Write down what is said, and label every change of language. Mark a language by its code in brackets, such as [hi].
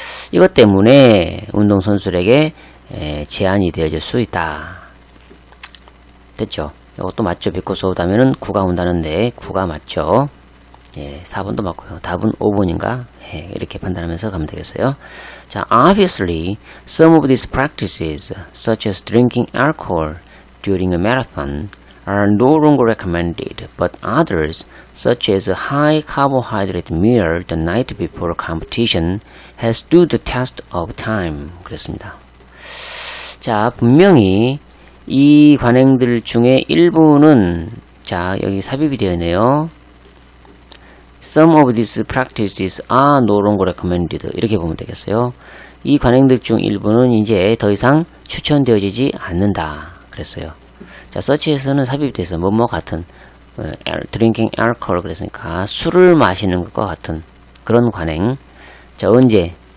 [ko] 이것 때문에 운동선수들에게 제한이 되어질 수 있다. 됐죠? 이것도 맞죠. 비코스 오다면은 9가 온다는데 9가 맞죠. 예, 4번도 맞고요. 답은 5번인가? 예, 이렇게 판단하면서 가면 되겠어요. [en] 자, obviously, some of these practices, such as drinking alcohol during a marathon, are no longer recommended, but others, such as a high carbohydrate meal the night before a competition, has stood the test of time. [ko] 그렇습니다. 자, 분명히 이 관행들 중에 일부는, 자, 여기 삽입이 되어 있네요. [en] Some of these practices are no longer recommended. [ko] 이렇게 보면 되겠어요. 이 관행들 중 일부는 이제 더 이상 추천되어지지 않는다. 그랬어요. 자, search에서는 삽입이 돼서 뭐뭐 같은 [en] drinking alcohol [ko] 그랬으니까 술을 마시는 것과 같은 그런 관행. 자, 언제?